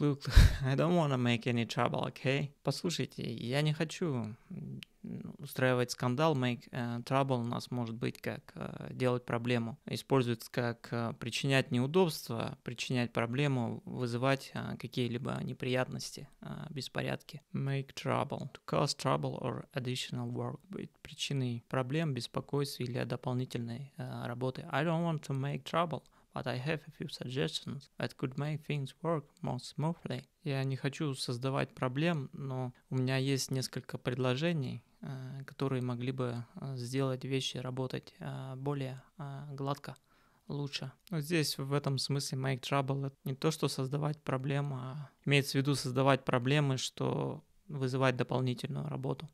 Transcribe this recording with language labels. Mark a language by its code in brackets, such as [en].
[en] look, I don't want to make any trouble, okay? [ru] Послушайте, я не хочу устраивать скандал. Make trouble у нас может быть как делать проблему. Используется как причинять неудобства, причинять проблему, вызывать какие-либо неприятности, беспорядки. [en] Make trouble. To cause trouble or additional work. [ru] Быть причиной проблем, беспокойств или дополнительной работы. [en] I don't want to make trouble. But I have a few suggestions that could make things work more smoothly. [ru] Я не хочу создавать проблем, но у меня есть несколько предложений, которые могли бы сделать вещи работать более гладко, лучше. Но здесь в этом смысле make trouble — это не то, что создавать проблемы, а имеется в виду создавать проблемы, что вызывать дополнительную работу.